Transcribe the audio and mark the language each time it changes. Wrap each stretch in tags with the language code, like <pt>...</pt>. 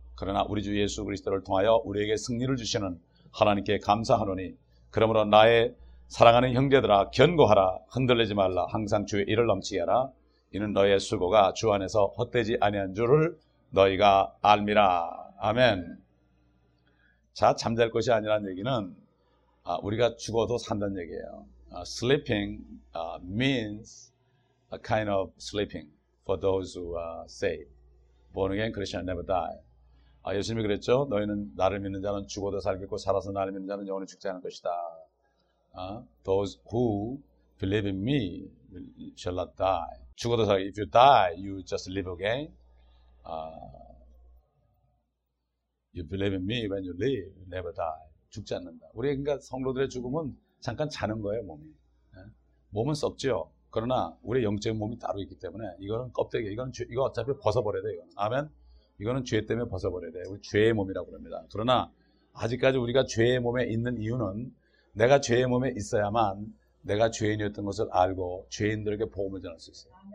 <ko>그러나 우리 주 예수 그리스도를 통하여 우리에게 승리를 주시는 하나님께 감사하노니 그러므로 나의 사랑하는 형제들아 견고하라 흔들리지 말라 항상 주의 일을 넘치게 하라. 이는 너의 수고가 주 안에서 헛되지 아니한 줄을 너희가 알미라. 아멘. 자 잠잘 것이 아니라는 얘기는 우리가 죽어도 산다는 얘기예요.</ko> <en>Sleeping means a kind of sleeping for those who are saved. Born again Christian never die.</en> <ko>예수님이 그랬죠. 너희는 나를 믿는 자는 죽어도 살겠고 살아서 나를 믿는 자는 영원히 죽지 않을 것이다.</ko> <en>Those who believe in me shall not die.</en> <ko>죽어도 살아.</ko> <en>If you die, you just live again. You believe in me when you live, never die.</en> <ko>죽지 않는다. 우리 그러니까 성도들의 죽음은 잠깐 자는 거예요, 몸이. 몸은 썩죠. 그러나 우리 영적인 몸이 따로 있기 때문에 이거는 껍데기. 이거는 죄, 이거 어차피 벗어버려야 돼. 이거는. 아멘. 이거는 죄 때문에 벗어버려야 돼. 우리 죄의 몸이라고 합니다. 그러나 아직까지 우리가 죄의 몸에 있는 이유는 내가 죄의 몸에 있어야만 내가 죄인이었던 것을 알고 죄인들에게 복음을 전할 수 있어요.</ko>